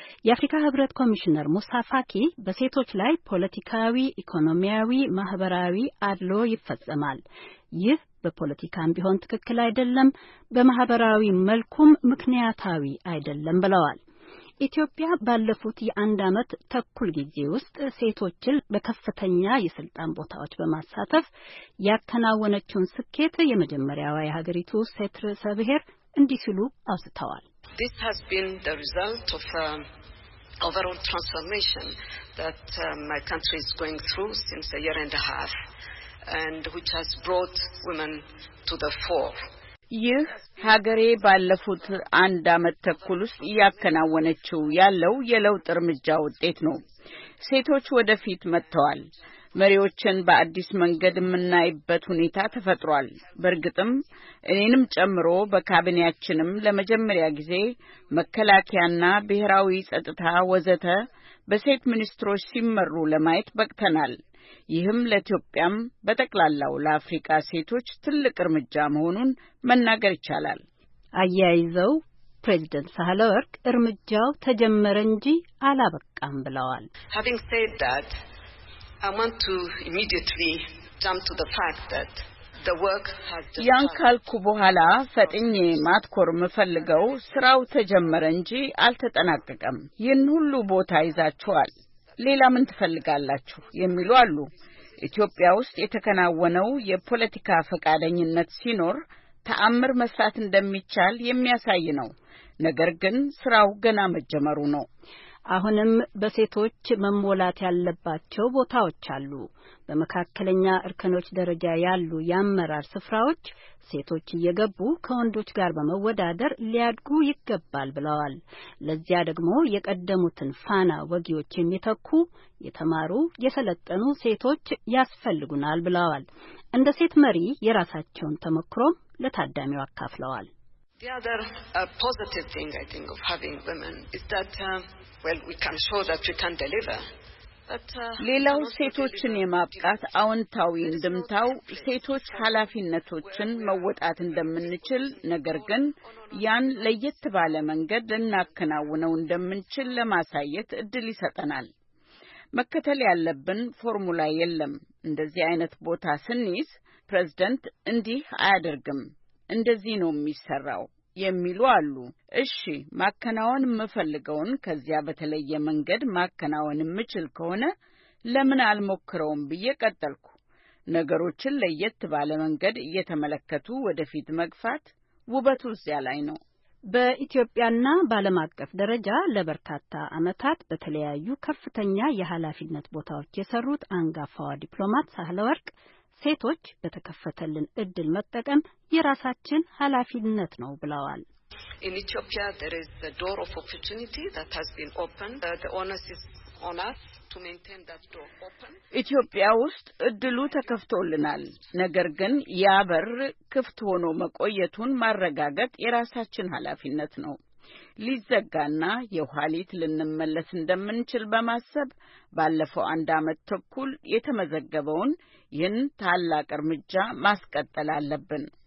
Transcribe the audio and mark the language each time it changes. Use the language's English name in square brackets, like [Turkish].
[Amharic] የአፍሪካ ህብረት ኮሚሽነር ሙሳ ፋኪ በሴቶች ላይ ፖለቲካዊ፣ ኢኮኖሚያዊ፣ ማህበራዊ አድሎ ይፈጸማል፣ ይህ በፖለቲካም ቢሆን ትክክል አይደለም፣ በማህበራዊ መልኩም ምክንያታዊ አይደለም ብለዋል። ኢትዮጵያ ባለፉት የአንድ አመት ተኩል ጊዜ ውስጥ ሴቶችን በከፍተኛ የስልጣን ቦታዎች በማሳተፍ ያከናወነችውን ስኬት የመጀመሪያዋ የሀገሪቱ ሴት ርዕሰ ብሔር እንዲህ ሲሉ አውስተዋል። [English] This has been the result of overall transformation that my country is going through since a year and a half and which has brought women to the fore. [Amharic] ይህ ሀገሬ ባለፉት አንድ አመት ተኩል ውስጥ ያከናወነችው ያለው የለውጥ እርምጃ ውጤት ነው። ሴቶች ወደፊት መጥተዋል። መሪዎችን በአዲስ መንገድ የምናይበት ሁኔታ ተፈጥሯል። በርግጥም እኔንም ጨምሮ በካቢኔያችንም ለመጀመሪያ ጊዜ መከላከያና ብሔራዊ ጸጥታ ወዘተ በሴት ሚኒስትሮች ሲመሩ ለማየት በቅተናል። ይህም ለኢትዮጵያም በጠቅላላው ለአፍሪካ ሴቶች ትልቅ እርምጃ መሆኑን መናገር ይቻላል። አያይዘው ፕሬዝዳንት ሳህለወርቅ እርምጃው ተጀመረ እንጂ አላበቃም ብለዋል። [English] Having said that, I want to immediately jump to the fact that the work has started. [Amharic] ያንካልኩ በኋላ ፈጥኜ ማትኮር ምፈልገው ስራው ተጀመረ እንጂ አልተጠናቀቀም። ይህን ሁሉ ቦታ ይዛችኋል፣ ሌላ ምን ትፈልጋላችሁ የሚሉ አሉ። ኢትዮጵያ ውስጥ የተከናወነው የፖለቲካ ፈቃደኝነት ሲኖር ተአምር መስራት እንደሚቻል የሚያሳይ ነው። ነገር ግን ስራው ገና መጀመሩ ነው። አሁንም በሴቶች መሞላት ያለባቸው ቦታዎች አሉ። በመካከለኛ እርከኖች ደረጃ ያሉ ያመራር ስፍራዎች ሴቶች እየገቡ ከወንዶች ጋር በመወዳደር ሊያድጉ ይገባል ብለዋል። ለዚያ ደግሞ የቀደሙትን ፋና ወጊዎች የሚተኩ የተማሩ የሰለጠኑ ሴቶች ያስፈልጉናል ብለዋል። እንደ ሴት መሪ የራሳቸውን ተመክሮ ለታዳሚው አካፍለዋል። [English] The other positive thing I think of having women is that we can show that we can deliver. [Amharic] ሌላው ሴቶችን የማብቃት አውንታዊ እንድምታው ሴቶች ኃላፊነቶችን መወጣት እንደምንችል፣ ነገር ግን ያን ለየት ባለ መንገድ ልናከናውነው እንደምንችል ለማሳየት እድል ይሰጠናል። መከተል ያለብን ፎርሙላ የለም። እንደዚህ አይነት ቦታ ስንይዝ ፕሬዝዳንት እንዲህ አያደርግም፣ እንደዚህ ነው የሚሰራው የሚሉ አሉ። እሺ ማከናውን መፈልገውን ከዚያ በተለየ መንገድ ማከናውን ምችል ከሆነ ለምን አልሞክረውም ብዬ ቀጠልኩ። ነገሮችን ለየት ባለ መንገድ እየተመለከቱ ወደፊት መግፋት ውበቱ እዚያ ላይ ነው። በኢትዮጵያና በዓለም አቀፍ ደረጃ ለበርካታ ዓመታት በተለያዩ ከፍተኛ የሐላፊነት ቦታዎች የሰሩት አንጋፋዋ ዲፕሎማት ሳህለወርቅ ሴቶች በተከፈተልን እድል መጠቀም የራሳችን ኃላፊነት ነው ብለዋል። [English] In Ethiopia there is a door of opportunity that has been opened. The onus is on us to maintain that door open. [Amharic] ኢትዮጵያ ውስጥ እድሉ ተከፍቶልናል። ነገር ግን ያ በር ክፍት ሆኖ መቆየቱን ማረጋጋት የራሳችን ኃላፊነት ነው። ሊዘጋና የኋሊት ልንመለስ እንደምንችል በማሰብ ባለፈው አንድ አመት ተኩል የተመዘገበውን ይህን ታላቅ እርምጃ ማስቀጠል አለብን።